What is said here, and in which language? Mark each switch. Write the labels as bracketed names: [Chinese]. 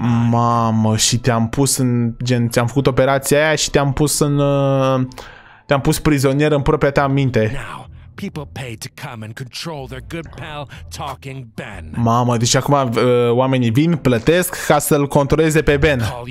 [Romanian] Mamă, și te-am pus în... gen, ți-am făcut operația aia și te-am pus în... te-am pus prizonier în propria ta minte. [English] People pay to come and control their good pal Talking Ben. [Romanian] Mamă, deci acum oamenii vin, plătesc ca să-l controleze pe Ben.